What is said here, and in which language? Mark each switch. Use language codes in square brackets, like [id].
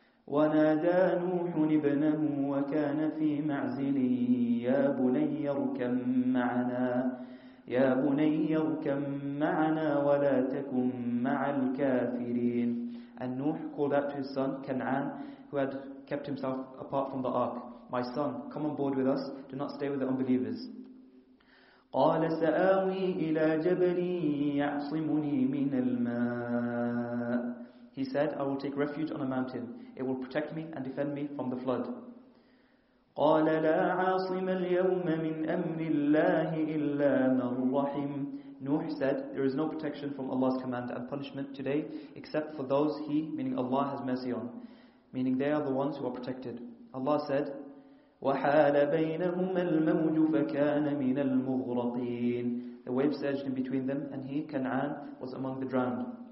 [ar] وَنَادَى نُوحٌ ابْنَهُ وَكَانَ فِي مَعْزِلٍ يَا بُنَيَّ ارْكَمْ مَعَنَا يَا بُنَيَّ ارْكَمْ مَعَنَا وَلَا تَكُمْ مَعَ الْكَافِرِينَ [en] And Nuh called out to his son, Kan'an, who had kept himself apart from the ark. My son, come on board with us. Do not stay with the unbelievers. [ar] قال سآوي إلى جبلي يعصمني من الماء. [en] He said, I will take refuge on a mountain. It will protect me and defend me from the flood. [ar] قال لا عاصم اليوم من أمر الله إلا من رحم. [en] Nuh said, there is no protection from Allah's command and punishment today except for those He, meaning Allah, has mercy on. Meaning they are the ones who are protected. Allah said, [ar] وَحَالَ بَيْنَهُمَ الْمَوْجُ فَكَانَ مِنَ الْمُغْرَقِينَ. [en] The wave surged in between them and he, Kan'an, was among the drowned.